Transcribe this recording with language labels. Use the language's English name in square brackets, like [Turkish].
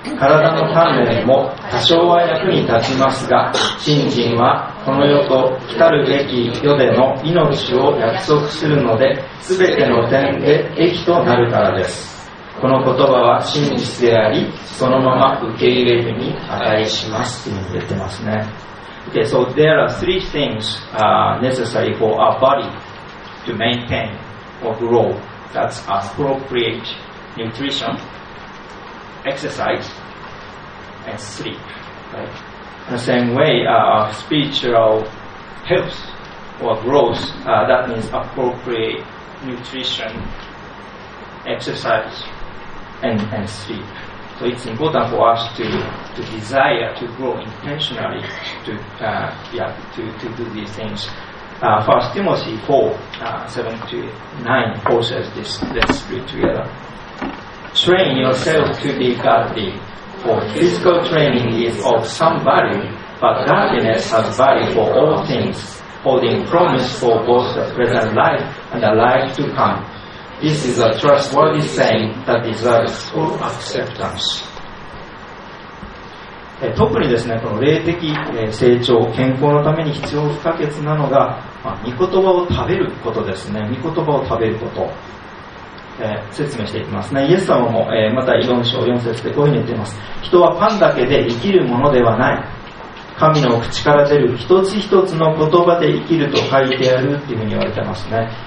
[Japanese] 体の鍛錬も多少は役に立ちますが、信心はこの世と来たるべき世での命を約束するので、全ての点で益となるからです。この言葉は真実であり、そのまま受け入れるに値します、と言ってますね。 [English] Okay, so there are three things necessary for our body to maintain or grow. That's appropriate nutrition, exercise, and sleep. Right? In the same way, our spiritual health or growth, that means appropriate nutrition, exercise, and sleep. So it's important for us to desire to grow intentionally to do these things. 1 Timothy 4:7-9 forces this. Let's read together. Train yourself to be godly, for physical training is of some value, but godliness has value for all things, holding promise for both the present life and the life to come. This is a trustworthy saying that deserves full acceptance. [Japanese] 特にですね、この霊的成長、健康のために必要不可欠なのが、まあ、御言葉を食べることですね。御言葉を食べること、説明していきますね。イエス様も、また4章4節でこういうふうに言っています。人はパンだけで生きるものではない。神の口から出る一つ一つの言葉で生きると書いてあるっていうふうに言われてますね。